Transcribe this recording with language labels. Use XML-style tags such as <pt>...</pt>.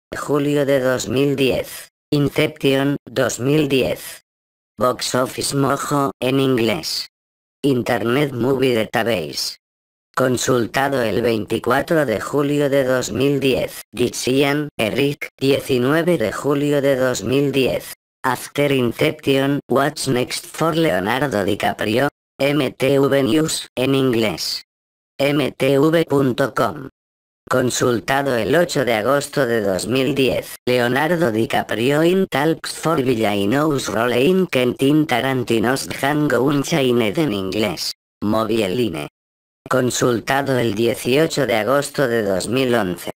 <es>Julio de 2010. Inception, 2010.</es> <en>Box Office Mojo,</en> <es>en inglés.</es> <en>Internet Movie Database.</en> <es>Consultado el 24 de julio de 2010. Gixian, Eric, 19 de julio de 2010.</es> <en>After Inception, What's Next for Leonardo DiCaprio? MTV News,</en> <es>en inglés.</es> <en>MTV.com.</en> <es>Consultado el 8 de agosto de 2010.</es> <en>Leonardo DiCaprio in Talks for Villainous Role in Quentin Tarantino's Django Unchained,</en> <es>en inglés.</es> <en>Movieline.</en> <es>Consultado el 18 de agosto de 2011.</es>